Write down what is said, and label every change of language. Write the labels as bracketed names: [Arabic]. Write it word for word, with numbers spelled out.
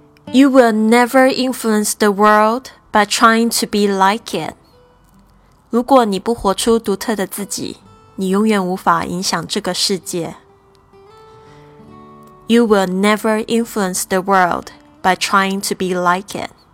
[English] You will never influence the world by trying to be like it. [Chinese] 如果你不活出独特的自己，你永远无法影响这个世界。 [English] You will never influence the world by trying to be like it.